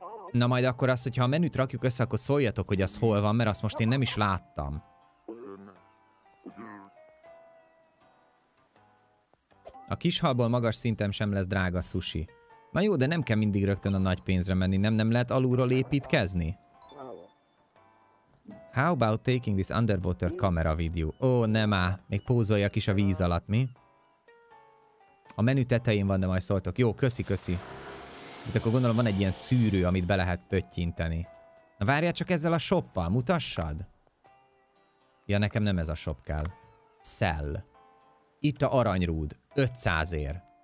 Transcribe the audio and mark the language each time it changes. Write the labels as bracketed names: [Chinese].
[Hungarian] Na majd akkor azt, hogyha a menüt rakjuk össze, akkor szóljatok, hogy az hol van, mert azt most én nem is láttam. A kishalból magas szinten sem lesz drága sushi. Na jó, de nem kell mindig rögtön a nagy pénzre menni, nem lehet alulról építkezni? [English] How about taking this underwater camera video? [Hungarian] Ó, nem á, még pózoljak is a víz alatt, mi? A menü tetején van, de majd szóltok. Jó, köszi, köszi. Itt akkor gondolom van egy ilyen szűrő, amit be lehet pöttyinteni. Na várjál csak ezzel a shoppal, mutassad? Ja, nekem nem ez a shop kell. Sell. Itt a aranyrúd. 500 ér.